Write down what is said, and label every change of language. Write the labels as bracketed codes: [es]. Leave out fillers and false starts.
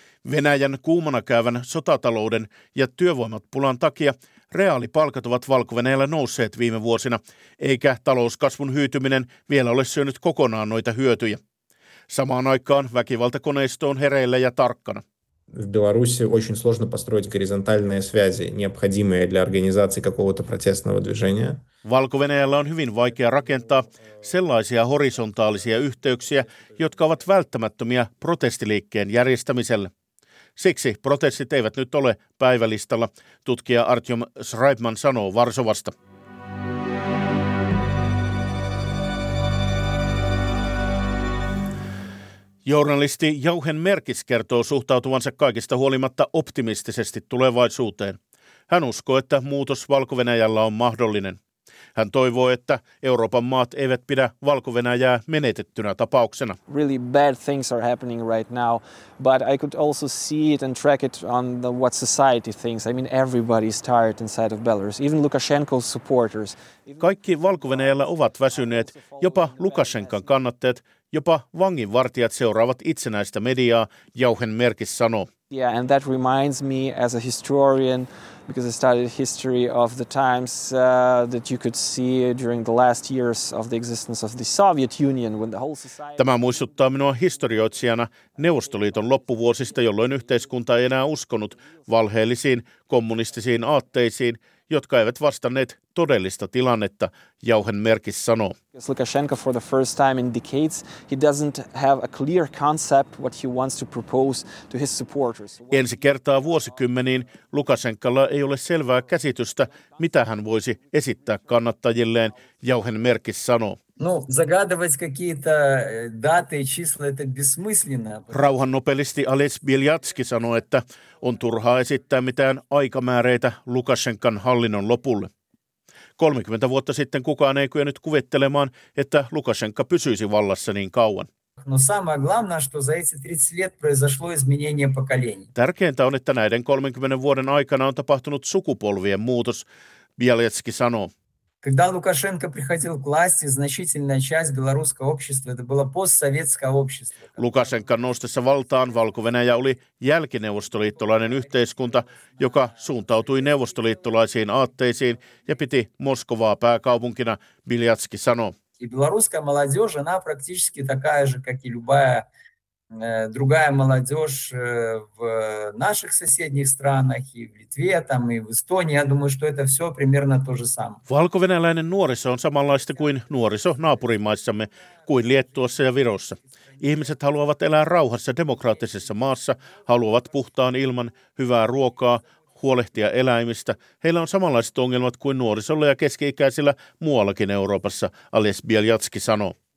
[fi] Venäjän kuumana käyvän sotatalouden ja työvoimapulan takia reaalipalkat ovat Valko-Venäjällä nousseet viime vuosina, eikä talouskasvun hyytyminen vielä ole syönyt kokonaan noita hyötyjä. Samaan aikaan väkivaltakoneisto on hereillä ja tarkkana. [ru] В Беларуси очень сложно построить горизонтальные связи, необходимые для организации какого-то протестного движения. [fi] Valko-Venäjällä on hyvin vaikea rakentaa sellaisia horisontaalisia yhteyksiä, jotka ovat välttämättömiä protestiliikkeen järjestämiselle. Siksi protestit eivät nyt ole päivälistalla, tutkija Artyom Schreibman sanoo Varsovasta. Journalisti Jauhen Merkis kertoo suhtautuvansa kaikista huolimatta optimistisesti tulevaisuuteen. Hän uskoo, että muutos Valko-Venäjällä on mahdollinen. Hän toivoo, että Euroopan maat eivät pidä Valko-Venäjää menetettynä tapauksena. [en] Really bad things are happening right now, but I could also see it and track it on the what society thinks. I mean, everybody is tired inside of Belarus, even Lukashenko's supporters. [fi] Kaikki Valko-Venäjällä ovat väsyneet, jopa Lukashenkan kannattajat, jopa vanginvartijat seuraavat itsenäistä mediaa, Jauhen Merkis sanoo. [en] Yeah, and that reminds me as a historian, because I studied history of the times that you could see during the last years of the existence of the Soviet Union, when the whole society. [fi] Tämä muistuttaa minua historioitsijana Neuvostoliiton loppuvuosista, jolloin yhteiskunta ei enää uskonut valheellisiin kommunistisiin aatteisiin, jotka eivät vastanneet todellista tilannetta, Jauhen Merkis sanoo. [en] Lukashenko for the first time in decades, he doesn't have a clear concept what he wants to propose to his supporters. [fi] Ensi kertaa vuosikymmeniin Lukashenkalla ei ole selvää käsitystä, mitä hän voisi esittää kannattajilleen, Jauhen Merkis sanoo. [ru] Ну, загадывать какие-то даты и числа это бессмысленно. [fi] Rauhannobelisti Aleš Beljatski sanoi, että on turhaa esittää mitään aikamääreitä Lukashenkan hallinnon lopulle. 30 vuotta sitten kukaan ei kyennyt kuvittelemaan, että Lukashenka pysyisi vallassa niin kauan. [ru] Но самое главное, что за эти 30 лет произошло изменение поколений. [fi] Tärkeintä on, että näiden 30 vuoden aikana on tapahtunut sukupolvien muutos, Beljatski sanoo. [ru] Когда Лукашенко приходил к власти, значительная часть белорусского общества, это было постсоветское общество. [fi] Лукашенко ностеса valtaan, Valko-Venäjä oli jälkineuvostoliittolainen yhteiskunta, joka suuntautui neuvostoliittolaisiin aatteisiin ja piti Moskovaa pääkaupunkina, Beljatski sanoo. [ru] И белорусская молодежь, она практически такая же, как и любая другая молодежь в наших соседних странах и в Литве там и в Эстонии, я думаю, что это все примерно то же самое. [fi] Valko-venäläinen nuoriso on samanlaista kuin nuoriso naapurimaissamme, kuin Liettuassa ja Virossa. Ihmiset haluavat elää rauhassa demokraattisessa maassa, haluavat puhtaan ilman, hyvää ruokaa, huolehtia eläimistä. Heillä on samanlaiset ongelmat kuin nuorisolla ja keski-ikäisillä muuallakin Euroopassa, Aleš Beljatski sanoo.